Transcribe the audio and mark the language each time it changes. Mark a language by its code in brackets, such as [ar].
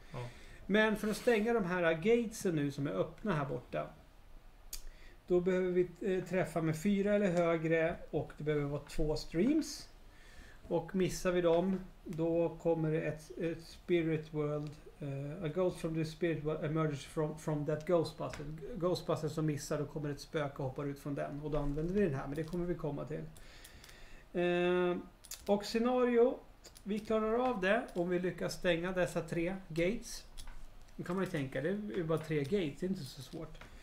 [sv] Ja. Men för att stänga de här gatesen nu som är öppna här borta, då behöver vi träffa med 4 eller högre och det behöver vara 2 streams. Och missar vi dem, då kommer det ett Spirit World [en] A ghost from the spirit emerges from that ghostbuster. [sv] Ghostbuster som missar, då kommer ett spöke och hoppar ut från den. Och då använder vi den här, men det kommer vi komma till. Och scenario, vi klarar av det om vi lyckas stänga dessa tre gates. Nu kan man ju tänka, det är bara tre gates, det är inte så svårt.